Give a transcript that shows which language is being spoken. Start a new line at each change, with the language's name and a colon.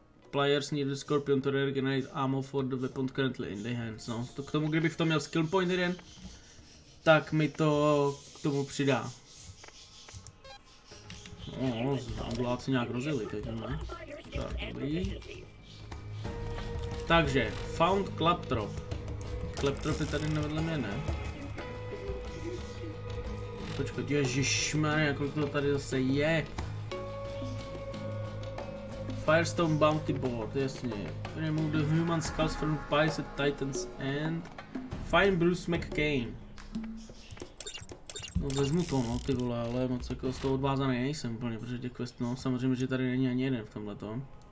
English: Players need the scorpion to regenerate ammo for the weapon currently in the hands, no.
Czech: To k tomu, kdybych v tom měl skill point jeden, tak mi to k tomu přidá. No, zambuláci nějak rozjeli teď, ne? Tak, dobrý. Takže,
English: found claptrop.
Czech: Claptrop je tady vedle mě, ne? Počkej, ježišmarja, kolik to tady zase je. Firestone bounty board, jasně.
English: Remove the human skulls from Pies at Titan's End. Find Bruce McCain.
Czech: No vezmu to, no ty vole, ale moc jako z toho odvázaný nejsem úplně, protože tě quest, no samozřejmě, že tady není ani jeden v tomhletom.